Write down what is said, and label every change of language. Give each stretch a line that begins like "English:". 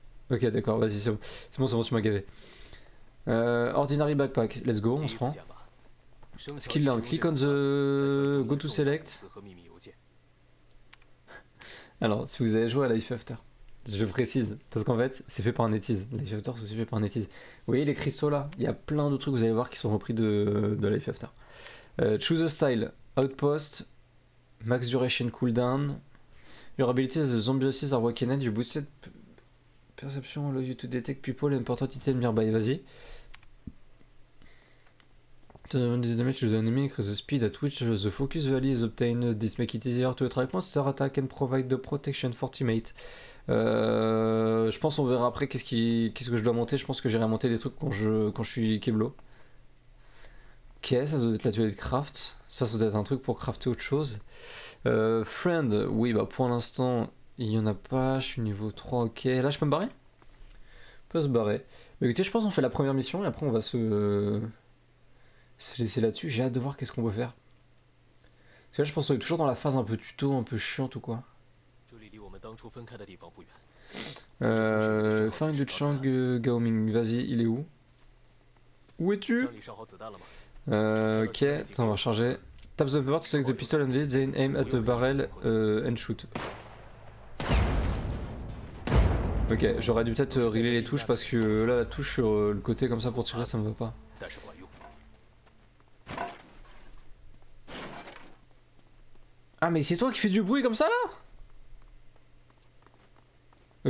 French: Ok, d'accord, vas-y, c'est bon, tu m'as gavé.
English: Ordinary backpack, let's go,
French: on se prend.
English: Skill learn, click on the go to select.
French: Alors, si vous avez joué à Life After, je précise, parce qu'en fait, c'est fait par un netiz. Life After, c'est aussi fait par un netiz. Vous voyez les cristaux là? Il y a plein de trucs, vous allez voir, qui sont repris de Life After.
English: Choose a style, outpost, max duration cooldown, your ability as a zombie assist are awakened, you boost perception, allow you to detect people and important item nearby. Vas-y. The damage to the enemy increase the speed at which the focus value is obtained. This make it easier to attract monster attack and provide the protection for teammate.
French: Je pense on verra après qu'est-ce que je dois monter. Je pense que j'irai monter des trucs quand je suis Keblo. Ok, ça doit être l'atelier de craft. Ça doit être un truc pour crafter autre chose. Friend, oui, bah pour l'instant, il n'y en a pas. Je suis niveau 3, ok. Là, je peux me barrer? Peut se barrer. Mais écoutez, je pense qu'on fait la première mission et après on va se laisser là-dessus. J'ai hâte de voir qu'est-ce qu'on peut faire. Parce que là, je pense qu'on est toujours dans la phase un peu tuto, un peu chiante ou quoi. Fang de Chang Gao Ming, vas-y, il est où? Où es-tu? Ok, attends, on va recharger.
English: Tap the bumper to select the pistol and then aim at the barrel and shoot.
French: Ok, j'aurais dû peut-être régler les touches parce que là, la touche sur le côté comme ça pour tirer, ça me va pas. Ah, mais c'est toi qui fais du bruit comme ça là?